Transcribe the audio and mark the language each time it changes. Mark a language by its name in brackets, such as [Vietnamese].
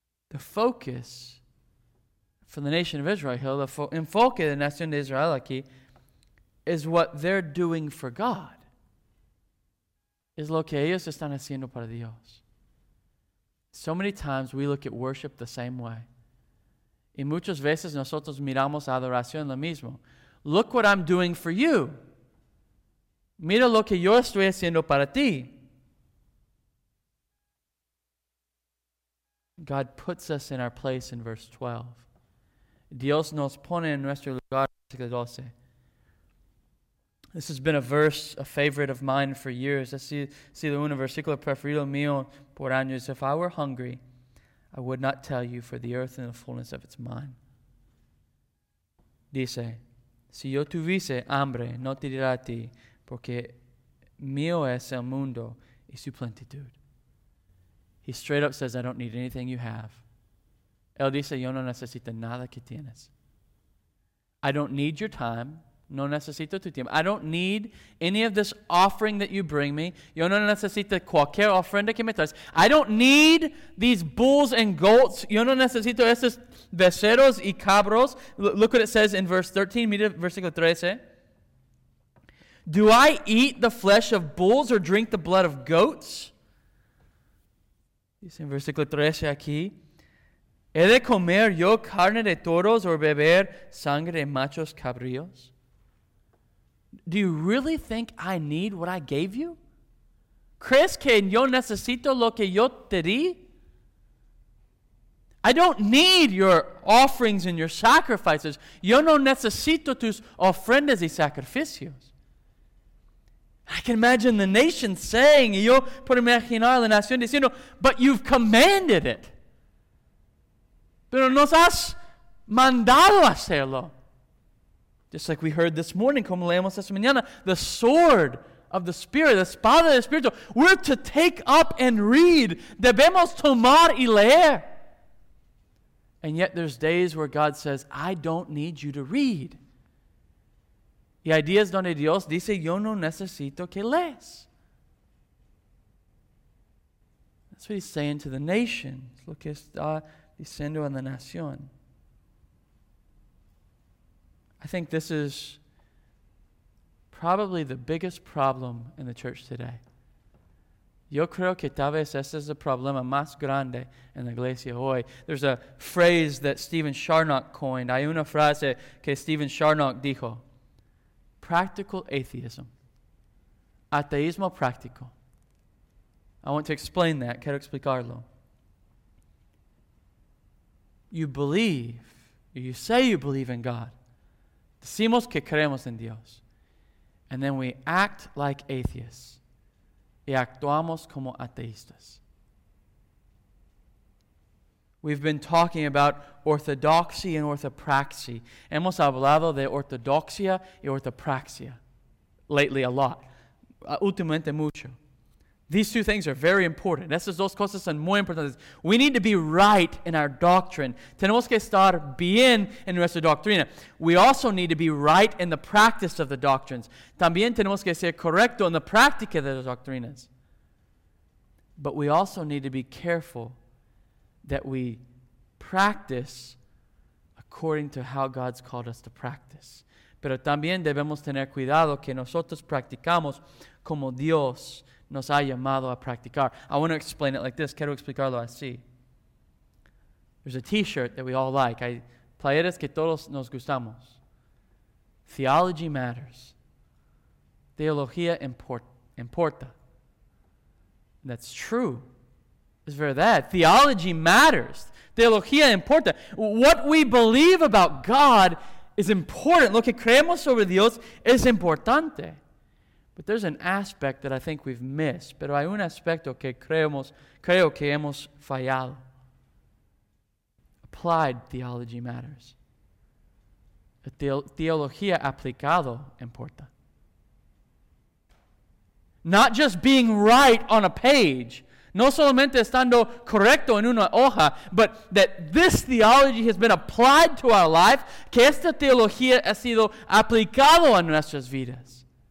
[English] The focus for the nation of Israel, the [Spanish] enfoque de la nación de Israel aquí, [English] is what they're doing for God. [Spanish] Es lo que ellos están haciendo para Dios. [English] So many times we look at worship the same way. [Spanish] Y muchas veces nosotros miramos a adoración lo mismo. [English] Look what I'm doing for you. [Spanish] Mira lo que yo estoy haciendo para ti. [English] God puts us in our place in verse 12. [Spanish] Dios nos pone en nuestro lugar en versículo 12. [English] This has been a verse, a favorite of mine for years. [Spanish] Ha sido un versículo preferido mío por años. [English] If I were hungry, I would not tell you, for the earth and the fullness of its mine. [Spanish] Dice, si yo tuviese hambre, no te diría a ti, porque mío es el mundo y su plenitud. [English] He straight up says, I don't need anything you have. [Spanish] Él dice, yo no necesito nada que tienes. [English] I don't need your time. [Spanish] No necesito tu tiempo. [English] I don't need any of this offering that you bring me. [Spanish] Yo no necesito cualquier ofrenda que me traes. [English] I don't need these bulls and goats. [Spanish] Yo no necesito esos becerros y cabros. [English] Look what it says in verse 13. [Spanish] Mira versículo 13. [English] Do I eat the flesh of bulls or drink the blood of goats? [Spanish] Dice en versículo 13 aquí, ¿he de comer yo carne de toros o beber sangre de machos cabríos? [English] Do you really think I need what I gave you? [Spanish] ¿Crees que yo necesito lo que yo te di? [English] I don't need your offerings and your sacrifices. [Spanish] Yo no necesito tus ofrendas y sacrificios. [English] I can imagine the nation saying, [Spanish] yo puedo imaginar la nación diciendo, [English] but you've commanded it. [Spanish] Pero nos has mandado hacerlo. [English] Just like we heard this morning, [Spanish] como leemos esta mañana, [English] the sword of the Spirit, the [Spanish] espada del Espíritu, [English] we're to take up and read. [Spanish] Debemos tomar y leer. [English] And yet there's days where God says, I don't need you to read. [Spanish] Y hay días donde Dios dice, yo no necesito que lees. [English] That's what he's saying to the nation. [Spanish] Lo que está diciendo a la nación. [English] I think this is probably the biggest problem in the church today. [Spanish] Yo creo que tal vez ese es el problema más grande en la iglesia hoy. [English] There's a phrase that Stephen Charnock coined. [Spanish] Hay una frase que Stephen Charnock dijo. [English] Practical atheism. [Spanish] Ateísmo práctico. [English] I want to explain that. [Spanish] Quiero explicarlo. [English] You believe, you say you believe in God. [Spanish] Decimos que creemos en Dios. [English] And then we act like atheists. [Spanish] Y actuamos como ateístas. [English] We've been talking about orthodoxy and orthopraxy. [Spanish] Hemos hablado de ortodoxia y orthopraxia [English] lately a lot. [Spanish] Últimamente mucho. [English] These two things are very important. [Spanish] Estas dos cosas son muy importantes. [English] We need to be right in our doctrine. [Spanish] Tenemos que estar bien en nuestra doctrina. [English] We also need to be right in the practice of the doctrines. [Spanish] También tenemos que ser correcto en la práctica de las doctrinas. [English] But we also need to be careful that we practice according to how God's called us to practice. [Spanish] Pero también debemos tener cuidado que nosotros practicamos como Dios nos ha llamado a practicar. [English] I want to explain it like this. [Spanish] Quiero explicarlo así. [English] There's a t-shirt that we all like. [Spanish] Hay playeras que todos nos gustamos. [English] Theology matters. [Spanish] Teología importa. [English] And that's true. It's verdad. Theology matters. [Spanish] Teología importa. [English] What we believe about God is important. [Spanish] Lo que creemos sobre Dios es importante. [English] But there's an aspect that I think we've missed. [Spanish] Pero hay un aspecto que creo que hemos fallado. [English] Applied theology matters. [Spanish] Teología aplicado importa. [English] Not just being right on a page. [Spanish] No solamente estando correcto en una hoja, [English] but that this theology has been applied to our life, [Spanish] que esta teología ha sido aplicado a nuestras vidas.